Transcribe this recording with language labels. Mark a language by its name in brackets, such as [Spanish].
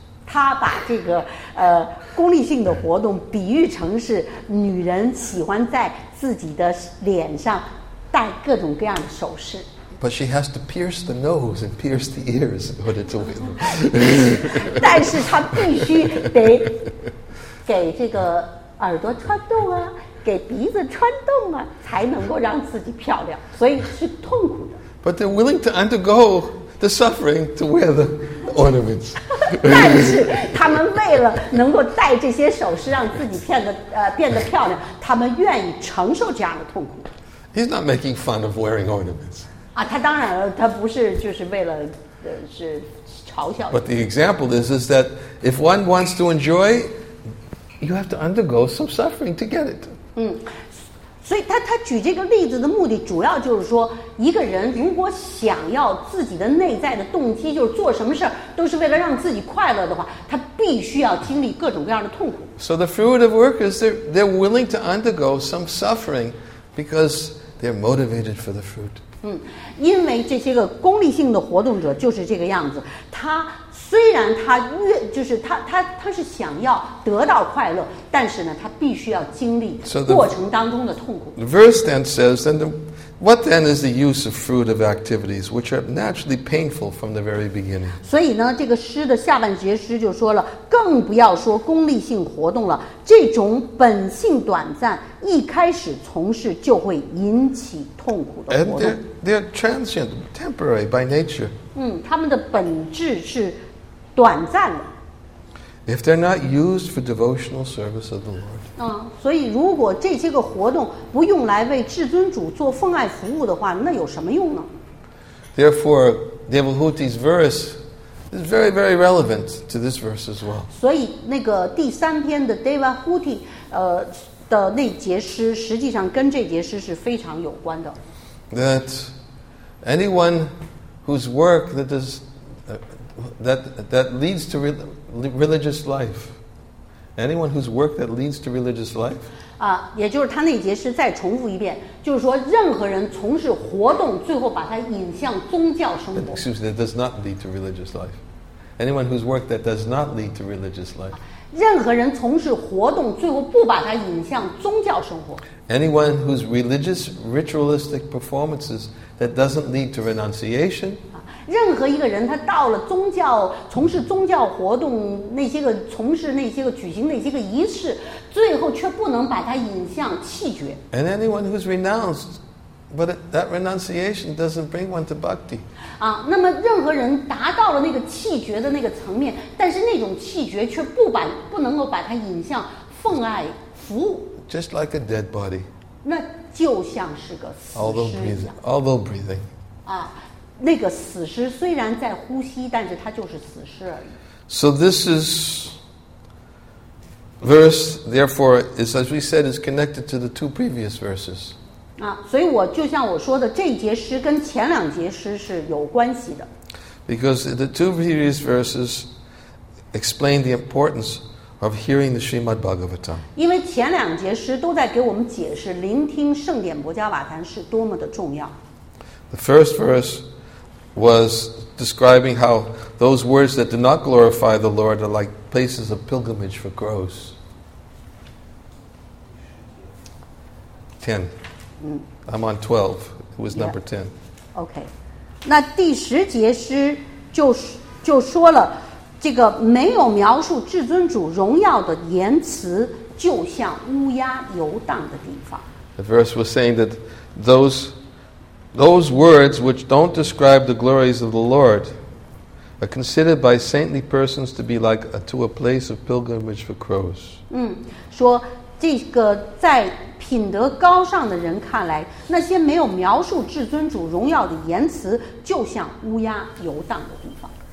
[Chinese] 他把这个功利性的活动比喻成是女人喜欢在自己的脸上戴各种各样的首饰。 [English] But she has to pierce the nose and pierce the ears in order to win. [Chinese] 但是她必须得给这个耳朵穿洞啊，给鼻子穿洞啊，才能够让自己漂亮。所以是痛苦的。 [English] But they're willing to undergo the suffering to wear the ornaments. [Chinese] 但是他们为了能够戴这些首饰让自己变得漂亮，他们愿意承受这样的痛苦。 [English] He's not making fun of wearing ornaments. [Chinese] 啊，他当然了，他不是就是为了是嘲笑。 [English] But the example is that if one wants to enjoy, you have to undergo some suffering to get it. [Chinese] 所以他举这个例子的目的，主要就是说，一个人如果想要自己的内在的动机，就是做什么事都是为了让自己快乐的话，他必须要经历各种各样的痛苦。 [English] So the fruit of work is they're willing to undergo some suffering. Because they're motivated for the fruit. [Chinese] 因为这些个功利性的活动者就是这个样子。他虽然他越就是他是想要得到快乐，但是呢，他必须要经历过程当中的痛苦。 [English] The verse then says, "Then what then is the use of fruit of activities which are naturally painful from the very beginning?" [Chinese] 所以呢，这个诗的下半节诗就说了，更不要说功利性活动了。这种本性短暂。一开始从事就会引起痛苦的活动。 [English] They're transient, temporary by nature. [Chinese] 他们的本质是短暂的。 [English] If they're not used for devotional service of the Lord. [Chinese] 所以如果这些个活动不用来为至尊主做奉爱服务的话，那有什么用呢？ [English] Therefore, Devahuti's verse is very, very relevant to this verse as well. [Chinese] 所以那个第三篇的 Devahuti, 的那节诗实际上跟这节诗是非常有关的。 [English] That anyone whose work that does that leads to religious life, anyone whose work that leads to religious life. [Chinese] 也就是他那节诗再重复一遍，就是说任何人从事活动，最后把它引向宗教生活。 [English] Excuse me, that does not lead to religious life. Anyone whose work that does not lead to religious life. [Chinese] 任何人从事活动，最后不把它引向宗教生活。 [English] Anyone whose religious ritualistic performances that doesn't lead to renunciation. [Chinese] 任何一个人，他到了宗教，从事宗教活动，那些个从事那些个举行那些个仪式，最后却不能把它引向弃绝。 [English] And anyone who's renounced, but that renunciation doesn't bring one to bhakti. [Chinese] 那么任何人达到了那个气绝的那个层面，但是那种气绝却不能够把它引向奉爱服务。 [English] Just like a dead body. [Chinese] 那就像是个死尸一样。 [English] Although breathing. [Chinese] 那个死尸虽然在呼吸，但是它就是死尸而已。 [English] So this is verse. Therefore, is as we said, is connected to the two previous verses. [Chinese] 所以我就像我说的，这一节诗跟前两节诗是有关系的。 [English] Because the two previous verses explain the importance of hearing the Srimad Bhagavatam. [Chinese] 因为前两节诗都在给我们解释聆听圣典薄伽瓦坛是多么的重要。 [English] The first verse was describing how those words that do not glorify the Lord are like places of pilgrimage for crows. 10. I'm on 12. It was number 10. Okay. [Chinese] 那第十节诗就说了这个没有描述至尊主荣耀的言辞就像乌鸦游荡的地方。 [English] The verse was saying that those words which don't describe the glories of the Lord are considered by saintly persons to be like to a place of pilgrimage for crows. [Chinese] 说这个在品德高尚的人看来，那些没有描述至尊主荣耀的言辞，就像乌鸦游荡的地方。